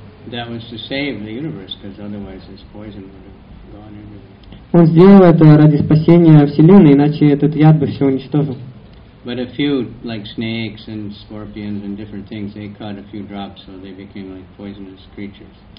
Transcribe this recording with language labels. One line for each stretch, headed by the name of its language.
English: That was to save the universe, because otherwise this poison would have gone into the...
Russian: Он сделал это ради спасения Вселенной, иначе этот яд бы все уничтожил.
English: But a few, like snakes and scorpions and different things, they caught a few drops, so they became like poisonous creatures.